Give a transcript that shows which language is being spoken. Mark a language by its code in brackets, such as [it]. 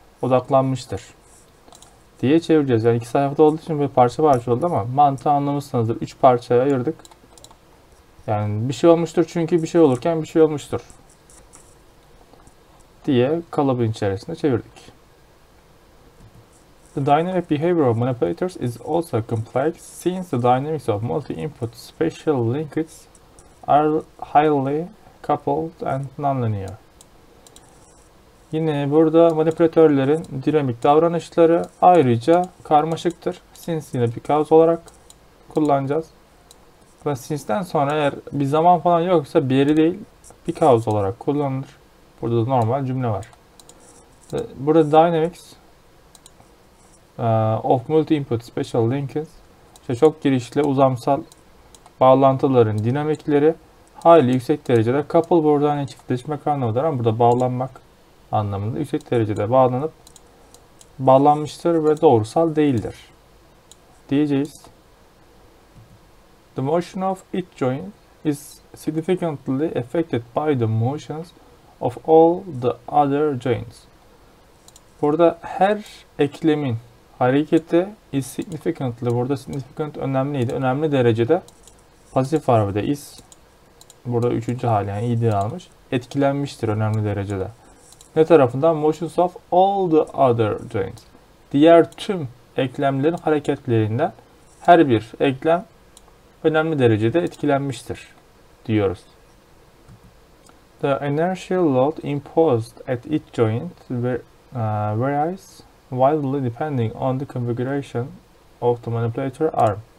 [tr] Odaklanmıştır diye çevireceğiz. Yani iki sayfada olduğu için bir parça parça oldu ama mantığı anlamışsınızdır. Üç parçaya ayırdık. Yani bir şey olmuştur çünkü bir şey olurken bir şey olmuştur diye kalıbın içerisinde çevirdik. [en] The dynamic behavior of manipulators is also complex since the dynamics of multi-input spatial linkages are highly coupled and nonlinear. [tr] Yine burada manipülatörlerin dinamik davranışları ayrıca karmaşıktır. Since yine bir kaos olarak kullanacağız. Ama since'den sonra eğer bir zaman falan yoksa bir yeri değil, bir kaos olarak kullanılır. Burada da normal cümle var. Burada [en] dynamics of multi input spatial linkages, [tr] işte çok girişli uzamsal bağlantıların dinamikleri hayli yüksek derecede couple, buradan hani çiftleşmek anlamıdır ama burada bağlanmak anlamında yüksek derecede bağlanıp bağlanmıştır ve doğrusal değildir diyeceğiz. [en] The motion of each joint is significantly affected by the motions of all the other joints. [tr] Burada her eklemin hareketi [en] is significantly, [tr] burada significant önemliydi. Önemli derecede pasif var bir de is. Burada üçüncü hali, yani iyi almış. Etkilenmiştir önemli derecede. Ne tarafından? [en] Motions of all the other joints. [tr] Diğer tüm eklemlerin hareketlerinden her bir eklem önemli derecede etkilenmiştir diyoruz. [en] The inertial load imposed at each joint varies wildly depending on the configuration of the manipulator arm.